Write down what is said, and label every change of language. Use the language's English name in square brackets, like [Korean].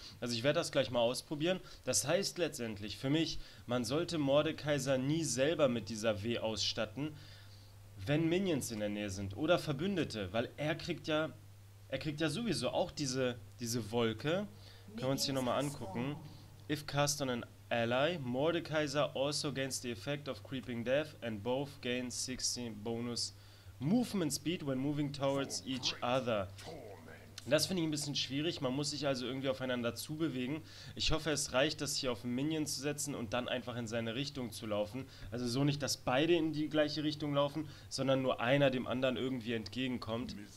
[German] Also ich werde das gleich mal ausprobieren. Das heißt letztendlich für mich, man sollte Mordekaiser nie selber mit dieser W ausstatten, wenn Minions in der Nähe sind oder Verbündete. Weil er kriegt ja sowieso auch diese Wolke. Können wir uns hier nochmal angucken. [English] If cast on an ally, Mordekaiser also gains the effect of creeping death and both gain 60 bonus Movement Speed when moving towards each other. [German] Das finde ich ein bisschen schwierig. Man muss sich also irgendwie aufeinander zubewegen. Ich hoffe, es reicht, das hier auf einen Minion zu setzen und dann einfach in seine Richtung zu laufen. Also so nicht, dass beide in die gleiche Richtung laufen, sondern nur einer dem anderen irgendwie entgegenkommt.